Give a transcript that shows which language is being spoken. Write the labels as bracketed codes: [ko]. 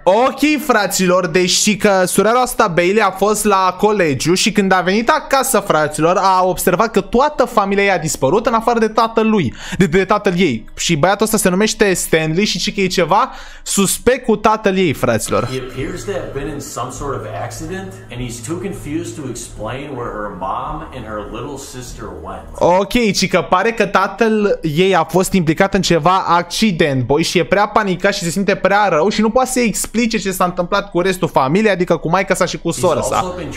[ro] Ok, fraților, deci știi că surorile asta Bailey a fost la colegiu și când a venit acasă, fraților, a observat că toată familia i-a dispărut în afară de tatălui, de tatăl ei. Și băiatul ăsta se numește Stanley și știi că e ceva suspect cu tatăl ei, fraților. [en] He appears to have been in some sort of accident and he's too confused to explain where her mom and her little sister went. [ro] Ok, și că pare că tatăl ei a fost implicat în ceva accident, boy, și e prea panicat și se simte prea rău și nu poate să explice ce s-a întâmplat cu restul familiei, adică cu maica sa și cu sora sa.